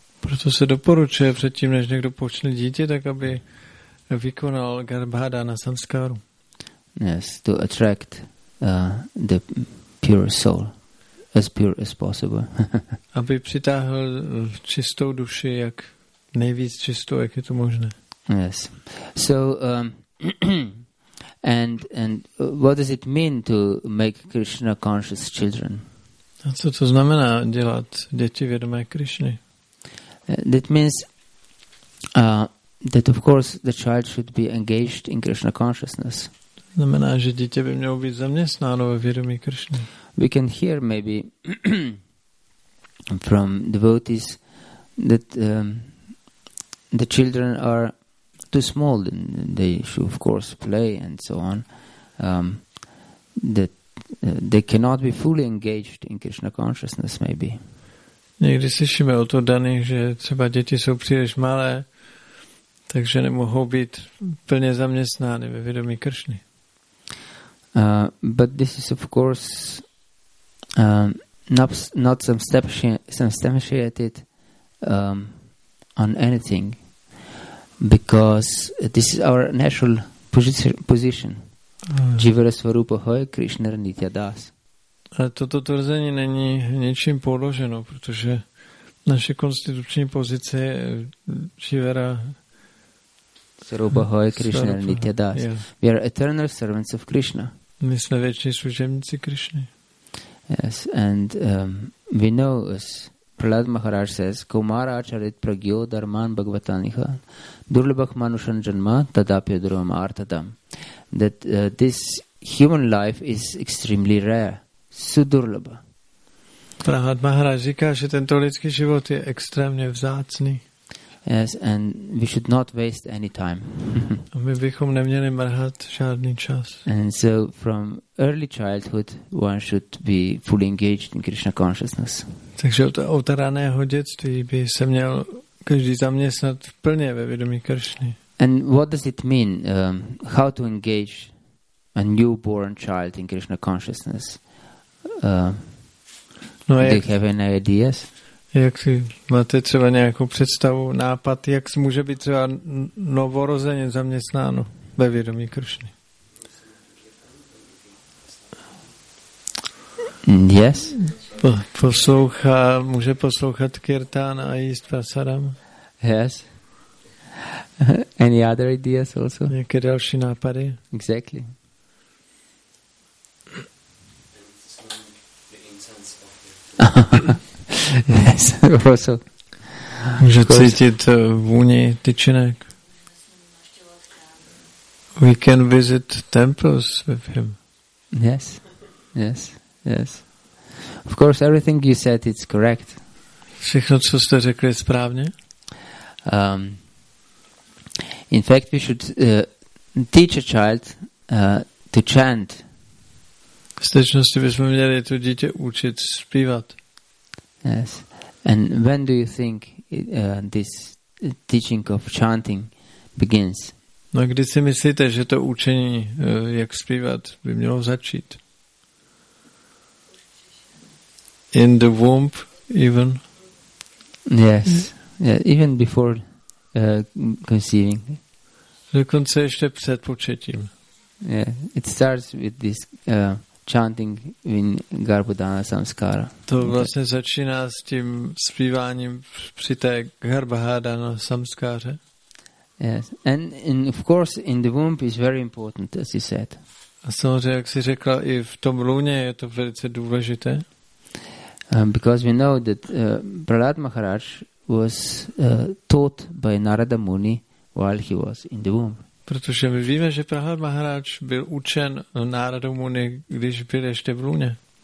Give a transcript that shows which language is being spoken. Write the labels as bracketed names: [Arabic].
[Czech] Proto se doporučuje předtím, než někdo počne dítě, tak aby vykonal garbhodana samskaru. [English] Yes, to attract the pure soul, as pure as possible. [Czech] Aby přitáhl čistou duši, jak nejvíc čistou, jak je to možné. [English] Yes. So And what does it mean to make Krishna conscious children? [Czech] A co to znamená dělat děti vědomé Krišny? [English] That means that of course the child should be engaged in Krishna consciousness. [Czech] To znamená, že dítě by mělo být zaměstnáno ve vědomí Krišny. [English] We can hear maybe from devotees that the children are too small, then they should of course play and so on, that they cannot be fully engaged in Krishna consciousness maybe. [Czech] Někdy slyšíme o to daný, že třeba děti jsou příliš malé, takže nemohou být plně zaměstnány ve vědomí Kršny. [English] But this is of course not some step initiated on anything, because this is our natural position. [Bangla] Jivara svarupa hoy Krishna nitya das. [Czech] A toto tvrzení není ničím položeno, protože naše konstituční pozice je jivara [Bangla] svarupa hoy Krishna nitya das. [English] Yeah. We are eternal servants of Krishna. [Czech] My jsme věční služebníci Krishny. [English] Yes, and we know us. Prahlad Maharaj says, [Sanskrit] Kumara acharit pragyo dharman bhagavataniha durlabak manushan janma tadapya dhruvam artadam. [English] That this human life is extremely rare. Sudurlaba. [Czech] Prahlad Maharaj říká, že tento lidský život je extrémně vzácný. [English] Yes, and we should not waste any time. [Czech] A my bychom neměli mrhat žádný čas. [English] And so from early childhood one should be fully engaged in Krishna consciousness. [Czech] Takže od raného dětství by se měl každý zaměstnat plně ve vědomí Kršny. [English] And what does it mean how to engage a newborn child in Krishna consciousness? No, do you have any ideas? [Czech] Jak si máte třeba nějakou představu, nápad, jak se může být třeba novorozeně zaměstnáno ve vědomí Kršny? [English] Yes. [Czech] Poslouchá, může poslouchat kirtán a jíst prasadam? [English] Yes. Any other ideas also? [Czech] Nějaké další nápady? [English] Exactly. Yes, also. [Czech] Může cítit vůni tyčinek. [English] We can visit temples with him. Yes, yes, yes. Of course, everything you said is correct. [Czech] Všechno, co jste řekli, je správně. [English] In fact, we should teach a child to chant. [Czech] V skutečnosti bychom měli to dítě učit zpívat. [English] Yes. And when do you think this teaching of chanting begins? [Czech] No, kdy si myslíte, že to učení, jak zpívat, by mělo začít? [English] In the womb, even? Yes. Yeah, even before conceiving. [Czech] Dokonce ještě před početím. [English] Yeah, it starts with this chanting in Garbhadhana Samskara. [Czech] To vlastně začíná s tím zpíváním při té Garbhadhana Samskáře. [English] Yes, and in, of course in the womb is very important, as you said. [Czech] A samozřejmě, jak jsi řekla, i v tom lůně je to velice důležité. [English] Because we know that Prahlad Maharaj was taught by Narada Muni while he was in the womb. [Czech] Protože my víme, že Prahlad Maharaj byl učen Narada Muni, když byl ještě v lůně.